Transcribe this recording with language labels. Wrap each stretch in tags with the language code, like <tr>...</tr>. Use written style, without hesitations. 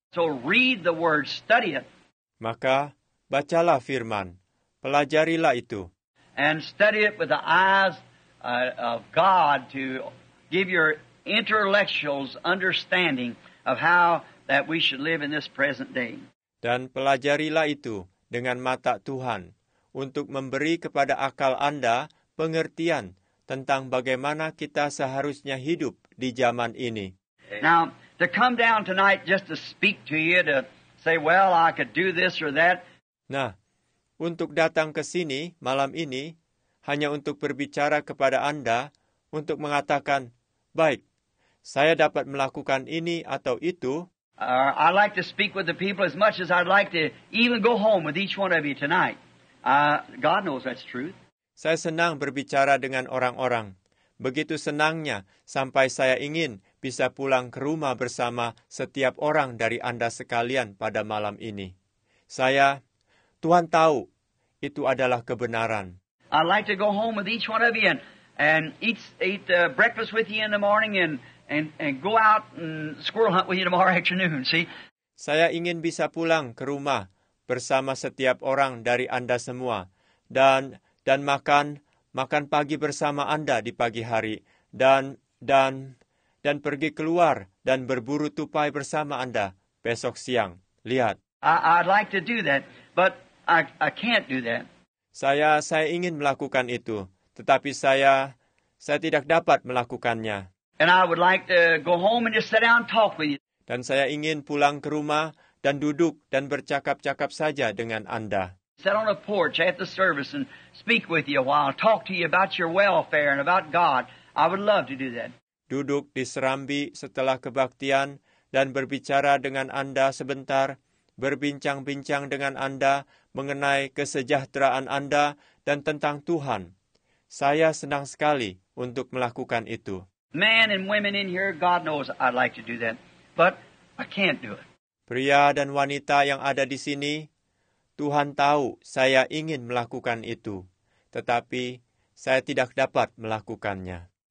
<en>So read the word, study it.</en> <id>Maka bacalah firman, pelajarilah itu.</id> <en>And study it with the eyes of God to give your intellectuals understanding of how that we should live in this present day.</en> <id>Dan pelajarilah itu dengan mata Tuhan untuk memberi kepada akal Anda pengertian tentang bagaimana kita seharusnya hidup di zaman ini.</id> <en>Now, to come down tonight just to speak to you to say, well, I could do this or that.</en> <id>Nah, untuk datang ke sini malam ini hanya untuk berbicara kepada Anda untuk mengatakan, baik, saya dapat melakukan ini atau itu.</id> <en>I'd like to speak with the people as much as I'd like to even go home with each one of you tonight. God knows that's truth.</en> <id>Saya senang berbicara dengan orang-orang. Begitu senangnya sampai saya ingin bisa pulang ke rumah bersama setiap orang dari Anda sekalian pada malam ini. Saya, Tuhan tahu, itu adalah kebenaran.</id> <en>I'd like to go home with each one of you and eat breakfast with you in the morning and go out and squirrel hunt with you tomorrow afternoon, see?</en> <id>Saya ingin bisa pulang ke rumah bersama setiap orang dari Anda semua dan makan pagi bersama Anda di pagi hari dan pergi keluar dan berburu tupai bersama Anda besok siang. Lihat.</id> <en>I'd like to do that, but I can't do that.</en> <id>Saya ingin melakukan itu, tetapi saya tidak dapat melakukannya.</id> <en>And I would like to go home and just sit down and talk with you.</en> <id>Dan saya ingin pulang ke rumah dan duduk dan bercakap-cakap saja dengan Anda.</id> <en>Sit on a porch at the service and speak with you a while, talk to you about your welfare and about God. I would love to do that.</en> <id>Duduk di serambi setelah kebaktian dan berbicara dengan Anda sebentar, berbincang-bincang dengan Anda mengenai kesejahteraan Anda dan tentang Tuhan. Saya senang sekali untuk melakukan itu.</id> <en>Men and women in here, God knows I'd like to do that, but I can't do it.</en> <id>Pria dan wanita yang ada di sini, Tuhan tahu saya ingin melakukan itu, tetapi saya tidak dapat melakukannya.</id>